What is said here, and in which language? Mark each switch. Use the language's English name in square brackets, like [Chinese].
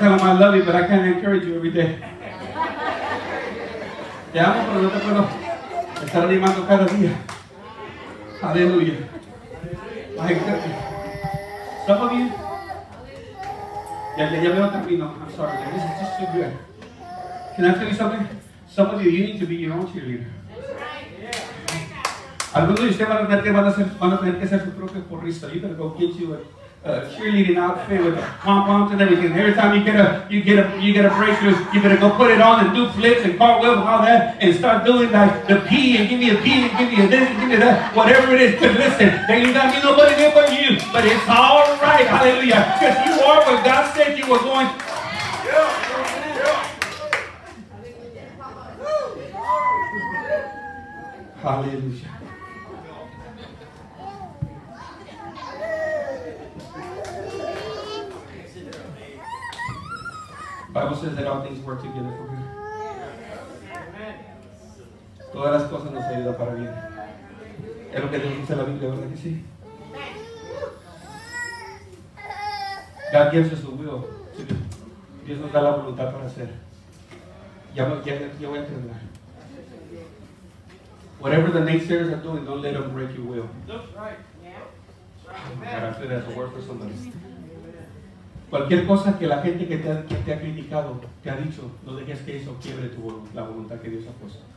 [English] Tell him I love you, but I can't encourage you every day. [Spanish] Te amo, pero no te puedo estar animando cada día. [English] Hallelujah. My God. Some of you. [Spanish] Ya veo camino. [English] I'm sorry. This is just too good. Can I tell you something? Some of you need to be your own cheerleader. [Spanish] Algunos de ustedes van a tener que ser su propio porrista. [English] You better go get you a cheerleading outfit with pom poms and everything. Every time you get a brace, you better go put it on and do flips and cartwheels and all that and start doing like the P and give me a P and give me a this and give me that, whatever it is. But listen, there ain't gonna be nobody there but you. But it's all right, hallelujah, because you are what God said you were going. Hallelujah. Bible says that all things work together for good. [Spanish] Todas las cosas nos ayudan para bien. Es lo que Dios dice en la Biblia, ¿verdad que sí? [English] God gives us the will. [Spanish] Dios nos da la voluntad para hacer. Ya voy a terminar. [English] Whatever the naysayers are doing, don't let them break your will. Right. Yeah. Oh, God, I feel that's a word for somebody. Amen. [Spanish] Cualquier cosa que la gente que te ha criticado, te ha dicho, no dejes que eso quiebre tu voluntad, la voluntad que Dios ha puesto.